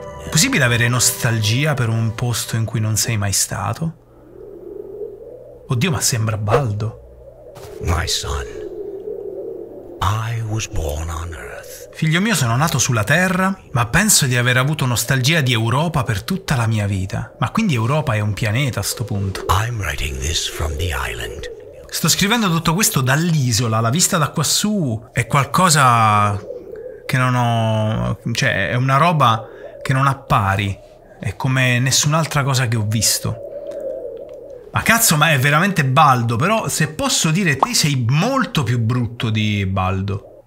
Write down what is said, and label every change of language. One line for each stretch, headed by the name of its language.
Italian: Possibile avere nostalgia per un posto in cui non sei mai stato? Oddio, ma sembra Baldo.
English: My son, I was born on Earth.
Italian: Figlio mio, sono nato sulla Terra, ma penso di aver avuto nostalgia di Europa per tutta la mia vita. Ma quindi Europa è un pianeta a sto punto.
English: I'm writing this from the island.
Italian: Sto scrivendo tutto questo dall'isola, la vista da quassù è qualcosa che non ho... cioè, è una roba che non appari, è come nessun'altra cosa che ho visto. Ma cazzo, ma è veramente Baldo, però se posso dire te sei molto più brutto di Baldo.